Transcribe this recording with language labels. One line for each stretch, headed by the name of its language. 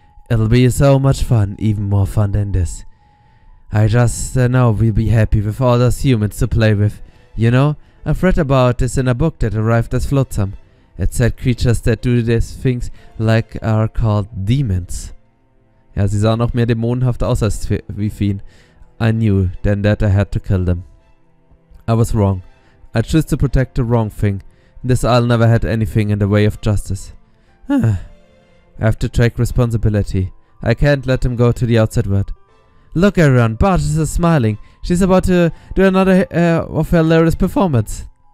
English: It'll be so much fun, even more fun than this. I just know we'll be happy with all those humans to play with. You know, I've read about this in a book that arrived as flotsam. It said creatures that do these things like are called demons.
German: Ja, sie sahen auch mehr dämonenhaft aus als wie Fien.
English: I knew then that I had to kill them. I was wrong. I chose to protect the wrong thing. This isle never had anything in the way of justice. I have to take responsibility. I can't let them go to the outside world. Look, everyone. Bart is smiling. She's about to do another of her hilarious performance.